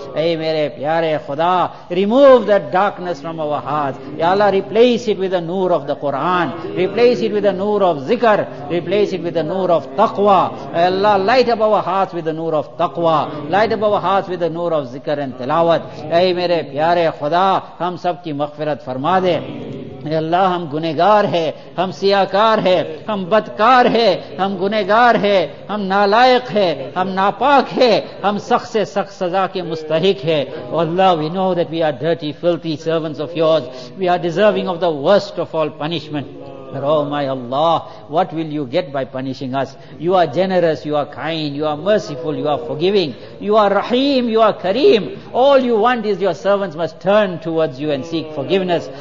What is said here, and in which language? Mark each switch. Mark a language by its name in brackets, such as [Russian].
[Urdu] Ey mere pyare khuda, [English] remove that darkness from our hearts. Ya Allah, replace it with the noor of the Quran, replace it with the noor of zikr, replace it with the noor of taqwa. Ey Allah, light up our hearts with the noor of taqwa, light up our hearts with the noor of zikr and tilawat. [Urdu] Ey mere pyare khuda, hum sab ki maghfirat farma de. اے اللہ, ہم گنہگار ہیں, ہم سیاہکار ہیں, ہم بدکار ہیں, ہم گنہگار ہیں, ہم نالائق ہیں, ہم ناپاک ہیں, ہم سخت سے سخت سزا کے مستحق ہیں. اور اللہ, [English] we know that we are dirty, filthy servants of yours, we are deserving of the worst of all punishment. But oh my Allah, what will you get by punishing us? You are generous, you are kind, you are merciful, you are forgiving, you are Rahim, you are Kareem. All you want is your servants must turn towards you and seek forgiveness.